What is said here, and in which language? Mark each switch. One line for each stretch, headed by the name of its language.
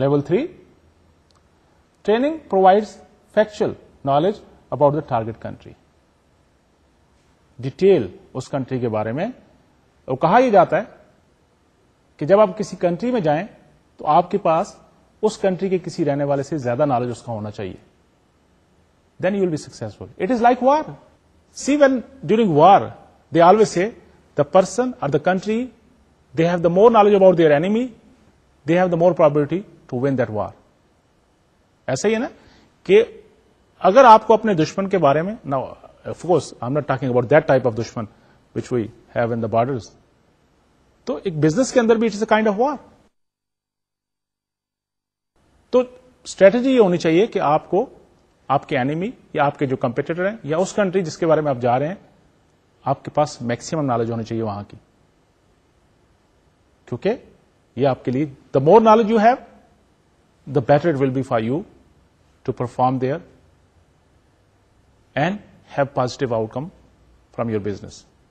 English: level three, training provides factual knowledge about the target country,
Urdu: detail اس country کے بارے میں. اور کہا یہ جاتا ہے کہ جب آپ کسی کنٹری میں جائیں تو آپ کے پاس اس کنٹری کے کسی رہنے والے سے زیادہ نالج اس کا ہونا چاہیے,
English: Then you will be successful. It is like war. See when during war they always say the person or the country they have the more knowledge about their enemy they have the more probability to win that war.
Urdu: ایسا ہی ہے نا کہ اگر آپ کو اپنے دشمن کے بارے میں,
English: now of course I am not talking about that type of دشمن which we have in the borders,
Urdu: تو ایک بزنس کے اندر بھی
English: It is a kind of war.
Urdu: تو اسٹریٹجی یہ ہونی چاہیے کہ آپ کو آپ کے اینیمی یا آپ کے جو کمپیٹیٹر ہیں یا اس کنٹری جس کے بارے میں آپ جا رہے ہیں, آپ کے پاس میکسیمم نالج ہونی چاہیے وہاں کی, کیونکہ یہ آپ کے لیے
English: The more knowledge you have the better it will be for you to perform there and have positive outcome from your business.